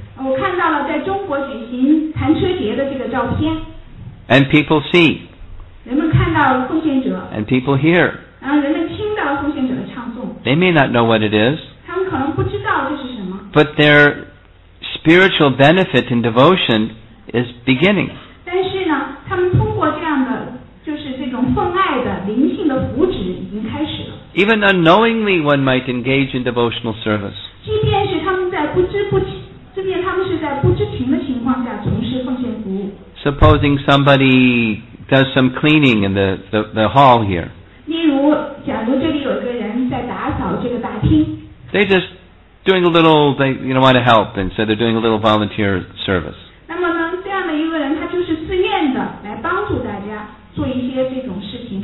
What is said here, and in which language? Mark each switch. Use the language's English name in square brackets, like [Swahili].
[Chinese] 我看到了在中国举行弹车节的这个照片。 [English] And people see. [Chinese] 人们看到奉献者。 [English] And people hear. [Chinese] 然后人们听到奉献者的唱诵。 [English] They may not know what it is. [Chinese] 他们可能不知道这是什么。 [English] But their spiritual benefit in devotion is beginning. [Chinese] 但是呢，他们通过这样的就是这种奉爱的灵性的福祉已经开始了。 [English] Even unknowingly, one might engage in devotional service. [Chinese] 即便是他们在不知不情，即便他们是在不知情的情况下从事奉献服务。 [English] Supposing somebody does some cleaning in the hall here. [Chinese] 例如，假如这里有个人在打扫这个大厅。 [English] They're just doing a little. They you know want to help, and so they're doing a little volunteer service. [Chinese] 那么呢，这样的一个人，他就是自愿的来帮助大家做一些这种事情。